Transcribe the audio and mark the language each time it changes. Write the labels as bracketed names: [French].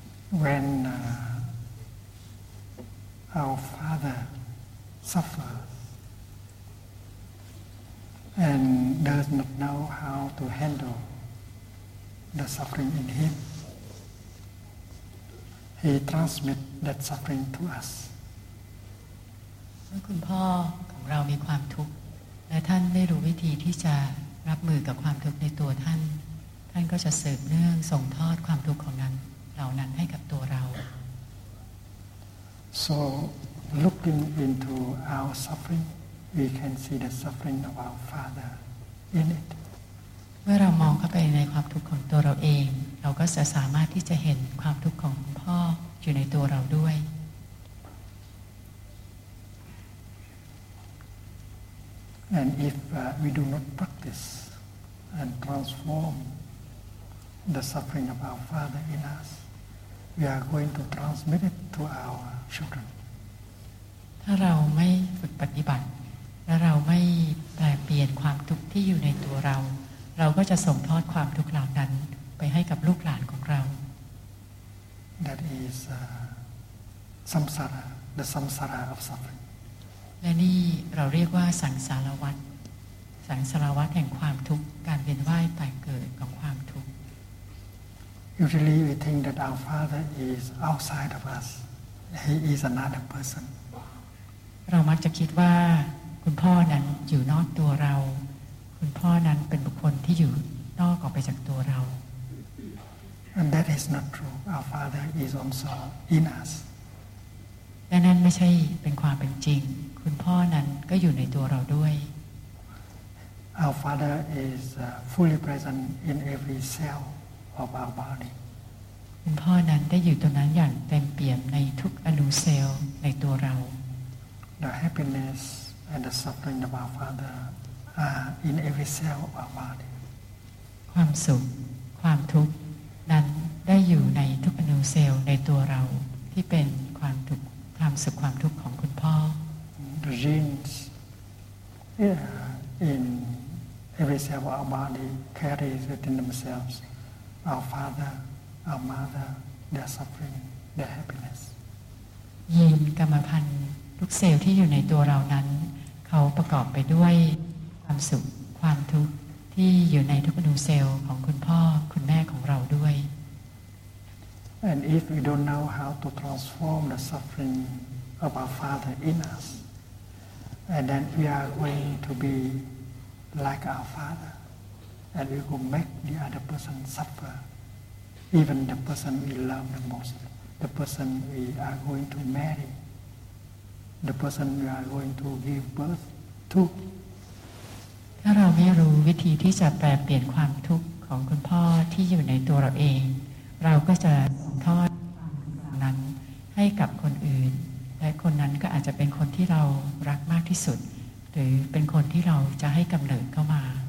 [English] When our father suffers and does not know how to handle the suffering in him, he transmits that suffering to us. [Thai] เมื่อคุณพ่อของเรามีความทุกข์และท่านไม่รู้วิธีที่จะรับมือกับความทุกข์ในตัวท่านท่านก็จะสืบเนื่องส่งทอดความทุกข์ของนั้นเหล่านั้นให้กับตัวเรา [English] So looking into our suffering we can see the suffering of our father in it. [Thai] เมื่อเรามองเข้าไปในความทุกข์ของตัวเราเองเราก็จะสามารถที่จะเห็นความทุกข์ของพ่ออยู่ในตัวเราด้วย [English] And if we do not practice and transform the suffering of our father in us we are going to transmit it to our children [Thai] ถ้าเราไม่ฝึกปฏิบัติและเราไม่แปลเปลี่ยนความทุกข์ที่อยู่ในตัวเราเราก็จะส่งทอดความทุกข์เหล่านั้นไปให้กับลูกหลานของเรา [English] That is samsara the samsara of suffering [Thai] และนี่เราเรียกว่าสังสารวัฏสังสารวัฏแห่งความทุกข์การเวียนว่ายตายเกิดของความทุกข์ [English] Usually we think that our father is outside of us he is another person [Thai] เรามักจะคิดว่าคุณพ่อนั้นอยู่นอกตัวเราคุณพ่อนั้นเป็นบุคคลที่อยู่นอกออกไปจากตัวเรา [English] And that is not true. Our father is also in us. [Thai] และนั้นไม่ใช่เป็นความเป็นจริงคุณพ่อนั้นก็อยู่ในตัวเราด้วย [English] Our father is fully present in every cell of our body. [Thai] คุณพ่อนั้นได้อยู่ตรงนั้นอย่างเต็มเปี่ยมในทุกอนุเซลล์ในตัวเรา [English] The happiness and the suffering of our fatherin every cell of our body [Thai] ความสุขความทุกข์นั้นได้อยู่ในทุกอนุเซลล์ในตัวเราที่เป็นความทุกข์ความสุขความทุกข์ของคุณพ่อ [English] The genes in every cell of our body carries within themselves our father our mother their suffering their happiness [Thai] ยีนกรรมพันธุ์ทุกเซลล์ที่อยู่ในตัวเรานั้นเขาประกอบไปด้วยความสุขความทุกข์ที่อยู่ในทุกอนุเซลล์ของคุณพ่อคุณแม่ของเราด้วย [English] And if we don't know how to transform the suffering of our father in us and then we are going to be like our father and we will make the other person suffer even the person we love the most the person we are going to marry the person we are going to give birth to [Thai] ถ้าเราไม่รู้วิธีที่จะแปลเปลี่ยนความทุกข์ของคุณพ่อที่อยู่ในตัวเราเองเราก็จะส่งทอดนั้นให้กับคนอื่นและคนนั้นก็อาจจะเป็นคนที่เรารักมากที่สุดหรือเป็นคนที่เราจะให้กำเนิดเข้ามา